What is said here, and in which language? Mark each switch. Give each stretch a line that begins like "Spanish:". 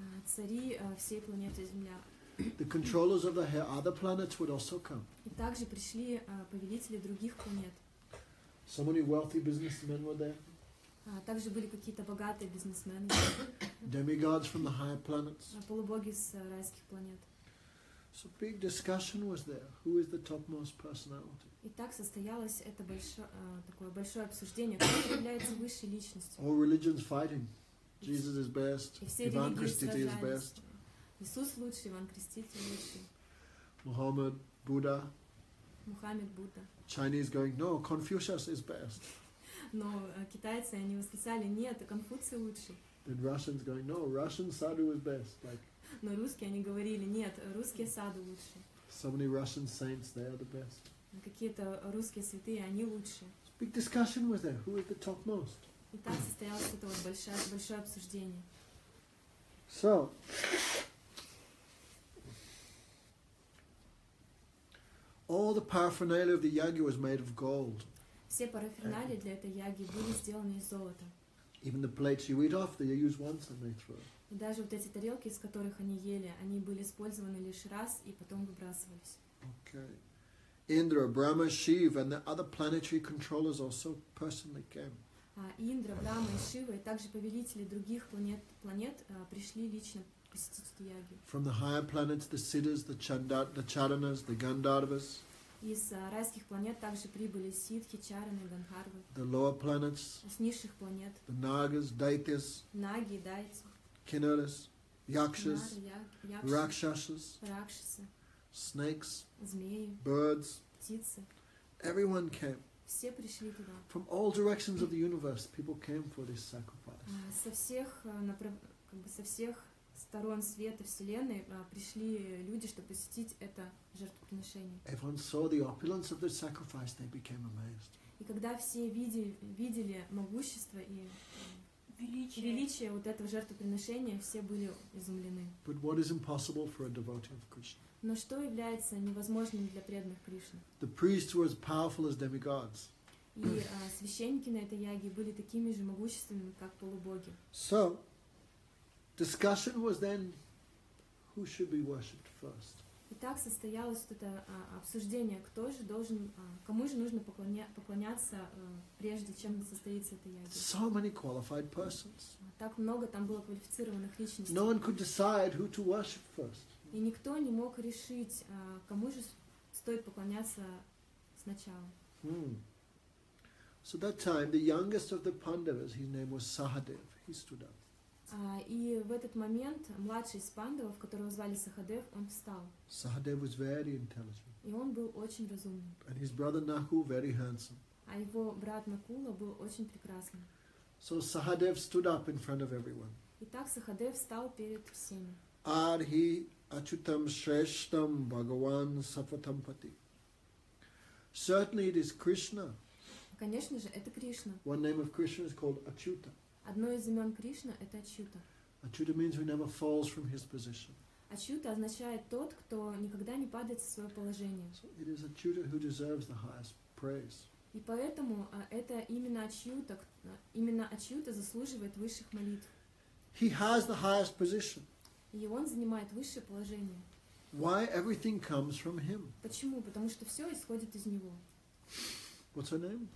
Russian: Цари всей планеты Земля.
English: The controllers of the other planets would also come.
Russian: И также пришли повелители других планет.
English: So many wealthy businessmen were there.
Russian: Также были какие-то богатые бизнесмены.
English: Demigods from the higher planets.
Russian: Полубоги с райских планет.
English: So big discussion was there. Who is the topmost personality?
Russian: И так состоялось это большое обсуждение, кто является высшей личностью.
English: All religions fighting. Jesus is best. Иван
Russian: Креститель
English: is best.
Russian: Иисус лучший, Иван Креститель лучший. Мухаммед, Будда. Мухаммед, Будда.
English: Chinese going, no, Confucius is best.
Russian: Но китайцы, они восклицали, нет, Конфуций лучший.
English: Then Russians going, no, Russian sadhu is best. Like.
Russian: Но русские, они говорили, нет, русские саду лучше.
English: So many Russian saints, they are the best.
Russian: Какие-то русские святые, они лучше.
English: Big discussion was there, who is the topmost?
Russian: И так состоялось это вот большое обсуждение.
English: So, all the paraphernalia of the yagi was made of gold.
Russian: Все парафиналии для этой яги были сделаны из золота.
English: Even the plates you eat off, they use once and they throw.
Russian: И даже вот эти тарелки, из которых они ели, они были использованы лишь раз и потом выбрасывались.
English: Okay. Indra, Brahma, Shiva, and the other planetary controllers also personally came.
Russian: Индра, Брама и Шива, и также повелители других планет пришли лично посетить эту яги.
English: From the higher planets, the Siddhas, the Charanas, the Gandharvas.
Russian: Из райских планет также прибыли Сидхи, Чараны, Гандхарвы.
English: The lower planets.
Russian: С низших планет.
English: The Nagas, Daityas.
Russian: Наги, Дайцы.
English: Kinnaras, Yakshas,
Russian: Ракшасы. Ракшасы.
English: Snakes.
Russian: Змеи.
English: Birds.
Russian: Птицы.
English: Everyone came. From all directions of the universe, people came for this sacrifice.
Russian: Со всех сторон света вселенной пришли люди, чтобы посетить это жертвоприношение.
English: Everyone saw the opulence of the sacrifice, they became amazed.
Russian: И когда все видели могущество и величие вот этого жертвоприношения, все были изумлены.
English: But what is impossible for a devotee of Krishna?
Russian: Но что является невозможным для преданных Кришны?
English: The priests were as powerful as demigods.
Russian: И священники на этой яге были такими же могущественными, как полубоги.
English: So, discussion was then, who should be worshipped first?
Russian: И так состоялось вот это обсуждение, кто же должен, кому же нужно поклоняться, прежде чем состоится эта яга.
English: So many qualified persons.
Russian: Так много там было квалифицированных личностей.
English: No one could decide who to worship first.
Russian: И никто не мог решить, кому же стоит поклоняться сначала. Hmm.
English: So that time, the youngest of the Pandavas, his name was Sahadev, he stood up.
Russian: И в этот момент младший из Пандавов, которого звали Сахадев, он встал.
English: Sahadev was very intelligent.
Russian: И он был очень разумным.
English: And his brother Nakula very handsome.
Russian: А его брат Накула был очень прекрасным.
English: So Sahadev stood up in front of everyone.
Russian: И так Сахадев встал перед всеми.
Sanskrit: Arhi Achutam Shreshtam Bhagavan Safatampati.
English: Certainly it is Krishna.
Russian: Конечно же, это Кришна.
English: One name of Krishna is called Achuta.
Russian: Одно из имен Кришна – это Ачюта.
English: Ачюта means who never falls from his position.
Russian: Ачюта означает тот, кто никогда не падает со своего положения.
English: So it is Ачюта who deserves the highest praise.
Russian: И поэтому это именно Ачюта заслуживает высших молитв.
English: He has the highest position.
Russian: И он занимает высшее положение.
English: Why everything comes from him?
Russian: Почему? Потому что все исходит из него.
English: What's her name?